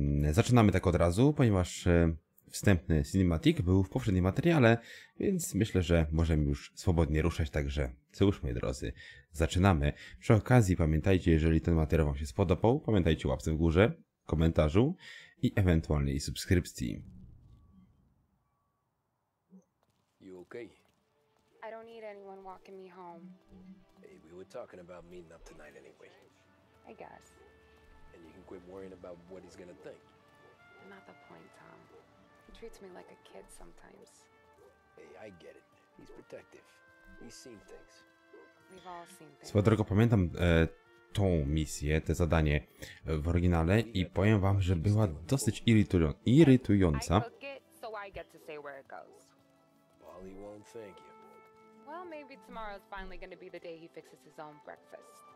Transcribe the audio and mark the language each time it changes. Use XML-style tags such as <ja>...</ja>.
<pl>Zaczynamy tak od razu, ponieważ wstępny cinematic był w poprzednim materiale, więc myślę, że możemy już swobodnie ruszać, także cóż, moi drodzy, zaczynamy. Przy okazji pamiętajcie, jeżeli ten materiał Wam się spodobał, pamiętajcie o łapce w górze, komentarzu i ewentualnie subskrypcji.</pl> <en>I don't need anyone walking me home. Hey, we were talking about meeting up tonight anyway. I guess. And you can quit worrying about what he's gonna think. Not the point, Tom. He treats me like a kid sometimes. Hey, I get it. He's protective. He's seen things. We've all seen things.</en> <pl>Swoją drogą pamiętam tą misję, te zadanie w oryginale i powiem wam, że była dosyć irytująca.</pl> <en>I took it, so I get to say where it goes. Polly won't thank you. Well, maybe tomorrow's finally gonna be the day he fixes his own breakfast.</en>